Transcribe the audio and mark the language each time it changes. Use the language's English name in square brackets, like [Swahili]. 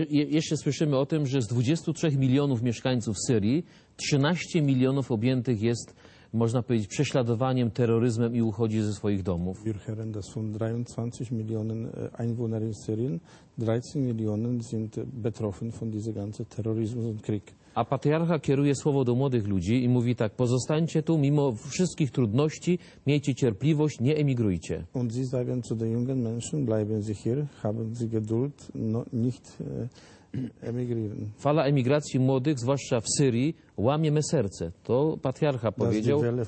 [Polish] Jeszcze słyszymy o tym, że z 23 milionów mieszkańców Syrii 13 milionów objętych jest, można powiedzieć, prześladowaniem, terroryzmem i uchodzi ze swoich domów. [German] Wir hören, dass von 23 Millionen Einwohnern in Syrien 13 Millionen sind betroffen von dieser ganzen Terrorismus und Krieg. [Polish] A patriarcha kieruje słowo do młodych ludzi i mówi tak: pozostańcie tu mimo wszystkich trudności, miejcie cierpliwość, nie emigrujcie. [German] Und sie sagen zu den jungen Menschen, bleiben Sie hier, haben Sie Geduld, no, nicht emigrieren. [Polish] Fala emigracji młodych, zwłaszcza w Syrii, łamie me serce. To patriarcha powiedział.